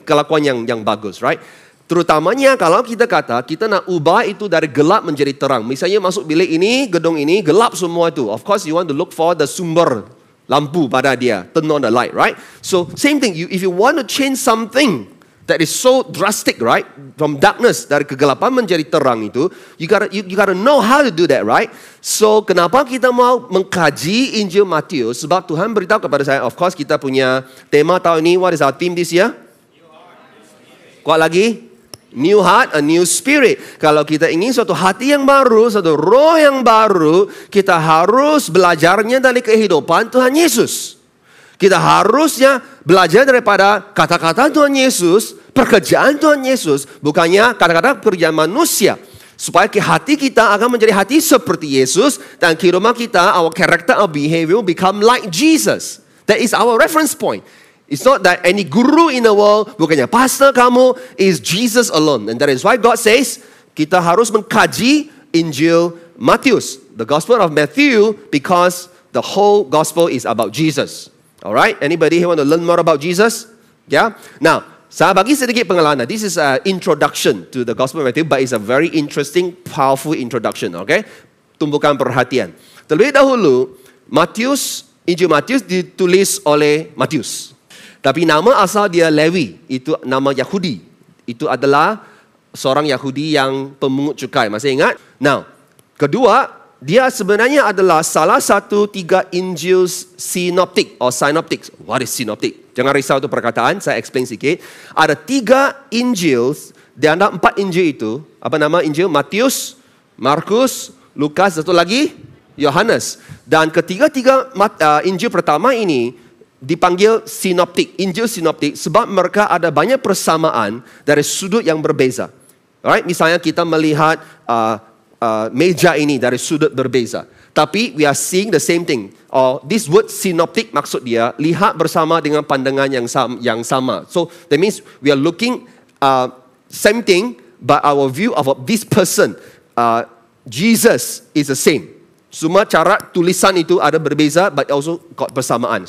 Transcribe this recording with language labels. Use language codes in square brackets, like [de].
[ms] Kelakuan yang bagus, [en] right? [ms] Terutamanya kalau kita kata kita nak ubah itu dari gelap menjadi terang. Misalnya masuk bilik ini, gedung ini gelap semua itu. [en] Of course you want to look for the [ms] sumber lampu pada dia. [en] Turn on the light, right? So same thing. If you want to change something, That is so drastic, right? From darkness, [ms] dari kegelapan menjadi terang itu. [en] You gotta know how to do that, right? So, [ms] kenapa kita mau mengkaji Injil Matius? Sebab Tuhan beritahu kepada saya, [en] of course [ms] kita punya tema tahun ini. [en] What is our theme this year? [ms] Kuat lagi? [en] New heart, a new spirit. [ms] Kalau kita ingin suatu hati yang baru, suatu roh yang baru, kita harus belajarnya dari kehidupan Tuhan Yesus. Kita harusnya belajar daripada kata-kata Tuhan Yesus, pekerjaan Tuhan Yesus, bukannya kata-kata pekerjaan manusia. Supaya hati kita akan menjadi hati seperti Yesus, dan kehidupan kita, [en] our character, our behavior become like Jesus. That is our reference point. It's not that any guru in the world, [ms] bukannya pastor kamu, [en] is Jesus alone. And that is why God says, [ms] kita harus mengkaji Injil Matius, [en] the Gospel of Matthew, because the whole Gospel is about Jesus. Alright, anybody here want to learn more about Jesus? Yeah? Now, [ms] saya bagi sedikit pengalaman. [en] This is an introduction to the Gospel of Matthew, but it's a very interesting, powerful introduction. [ms] Okay? Tumbukan perhatian. Terlebih dahulu, Matius, Injil Matius ditulis oleh Matius. Tapi nama asal dia Lewi, itu nama Yahudi. Itu adalah seorang Yahudi yang pemungut cukai. Masih ingat? Now, kedua, dia sebenarnya adalah salah satu tiga Injil sinoptik or synoptic. [en] What is sinoptic? [ms] Jangan risau itu perkataan, saya explain sikit. Ada tiga Injil, di antara empat Injil itu, apa nama Injil? Matius, Markus, Lukas, satu lagi, Yohanes. Dan ketiga-tiga Injil pertama ini dipanggil sinoptik, Injil sinoptik, sebab mereka ada banyak persamaan dari sudut yang berbeza. Alright, misalnya kita melihat meja ini dari sudut berbeza. Tapi [en] we are seeing the same thing. Or this word synoptic [ms] maksud dia lihat bersama dengan pandangan yang sama. [en] So that means we are looking same thing, but our view of this person Jesus is the same. [ms] Cuma cara tulisan itu ada berbeza, [en] but also got [ms] persamaan.